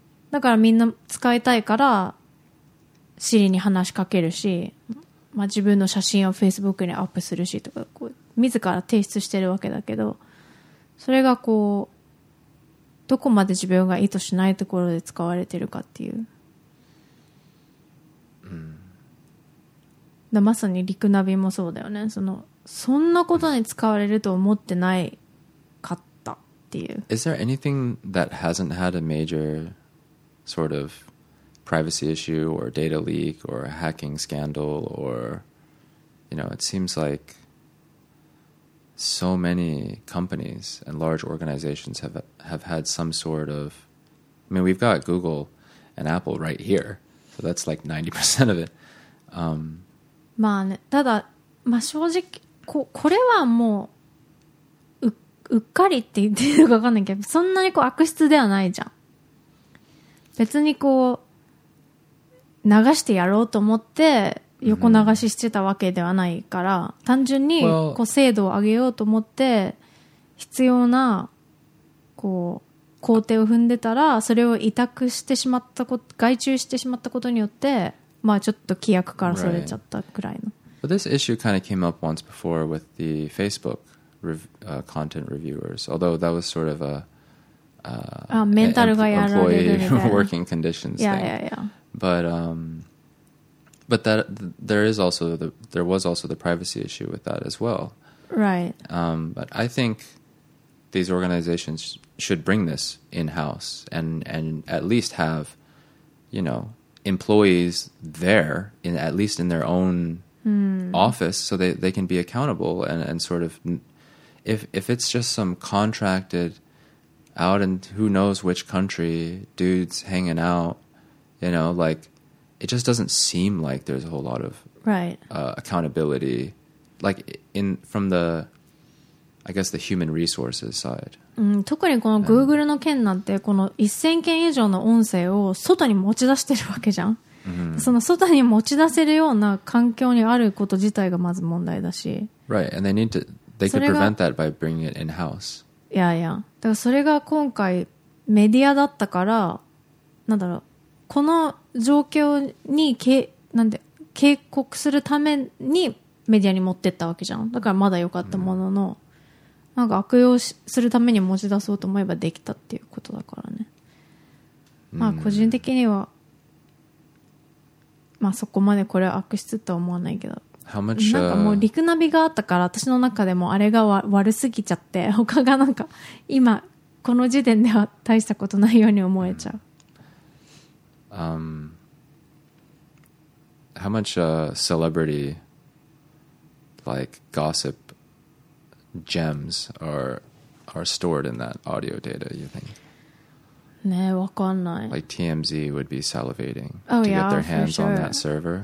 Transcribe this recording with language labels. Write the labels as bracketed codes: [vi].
[ja] だからみんな使いたいから Siri に話しかけるし、まあ、自分の写真を Facebook にアップするしとかこう自ら提出してるわけだけど、それがこうどこまで自分が意図しないところで使われてるかっていう、だまさにリクナビもそうだよね。そんなことに使われると思ってないかったっていう。 [en] Is there anything that hasn't had a major sort of privacy issue or data leak or a hacking scandal or, you know, it seems like so many companies and large organizations have had some sort of, I mean, we've got Google and Apple right here, so that's like 90% of it. [ja] まあね、ただ、まあ正直、これはもうっかりって言っていいのか分かんないけど、そんなにこう悪質ではないじゃん。別にこう流してやろうと思って横流ししてたわけではないから、うん、単純にこう精度を上げようと思って必要なこう工程を踏んでたら、それを委託してしまったこと、外注してしまったことによって、まあちょっと規約からそれちゃったくらいの。 [en] Right. But this issue kind of came up once before with the Facebook content reviewers, although that was sort of a employee working conditions yeah, thing. Yeah, yeah, yeah. But that there was also the privacy issue with that as well. Right. But I think these organizations should bring this in-house and at least have, you know, employees there, in at least in their own office, so they can be accountable and sort of, if it's just some contracted out in who knows which country dudes hanging out, you know, like, it just doesn't seem like there's a whole lot of accountability, like from the, I guess, the human resources side. [ja] うん、特にこの Google の件なんて、この1000件以上の音声を外に持ち出してるわけじゃん、 [en] mm-hmm. [ja] その外に持ち出せるような環境にあること自体がまず問題だし。 [en] Right, and they could prevent that by bringing it in-house. [ja] いやいや、だからそれが今回メディアだったから、なんだろう、この状況に警告するためにメディアに持ってったわけじゃん。だからまだ良かったものの、 [en] mm-hmm. [ja] なんか悪用するために持ち出そうと思えばできたっていうことだからね。まあ個人的には、まあそこまでこれは悪質とは思わないけど。 [en] How much, [ja] なんかもうリクナビがあったから私の中でもあれが悪すぎちゃって、他がなんか今この時点では大したことないように思えちゃう。 [en] How much celebrity like gossipGems are stored in that audio data, you think? [ja] ねえ、わかんない。 [en] Like TMZ would be salivating to get their hands on that server.